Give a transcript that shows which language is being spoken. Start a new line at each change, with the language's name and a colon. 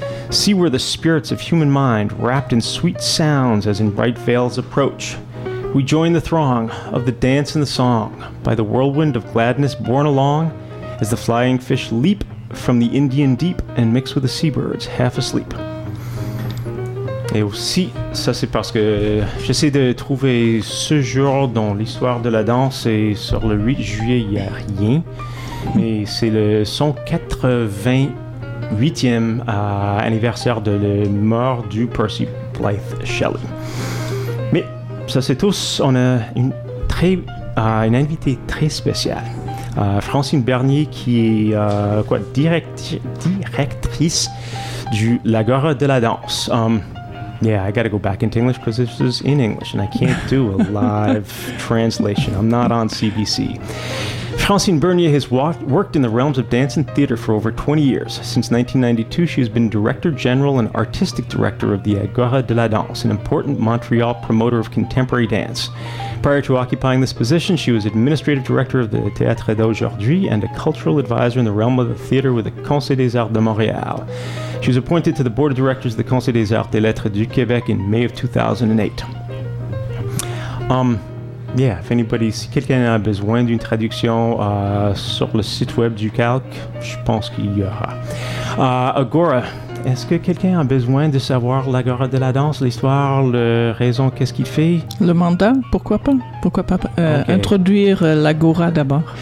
English: See where the spirits of human mind, wrapped in sweet sounds as in bright veils, approach. We join the throng of the dance and the song, by the whirlwind of gladness borne along, as the flying fish leap from the Indian deep and mix with the seabirds half asleep.
French: Et aussi, ça c'est parce que j'essaie de trouver ce jour dans l'histoire de la danse, et sur le 8 juillet, il n'y a rien. Mais c'est le 188e anniversaire de la mort du Percy Blythe Shelley. Mais ça c'est tous, on a une invitée très spéciale. Francine Bernier, qui est directrice du L'Agora de la danse.
English: Yeah, I got to go back into English because this is in English and I can't do a live translation. I'm not on CBC. Francine Bernier has worked in the realms of dance and theater for over 20 years. Since 1992, she has been Director General and Artistic Director of the Agora de la Danse, an important Montreal promoter of contemporary dance. Prior to occupying this position, she was Administrative Director of the Théâtre d'Aujourd'hui and a Cultural Advisor in the realm of the theater with the Conseil des Arts de Montréal. She was appointed to the Board of Directors of the Conseil des Arts des Lettres du Québec in May of 2008. Yeah, if anybody,
French: si quelqu'un a besoin d'une traduction sur le site web du calque, je pense qu'il y aura. Agora, est-ce que quelqu'un a besoin de savoir l'Agora de la danse, l'histoire, la raison, qu'est-ce qu'il fait? Le mandat, pourquoi pas? Pourquoi pas okay. Introduire l'Agora d'abord?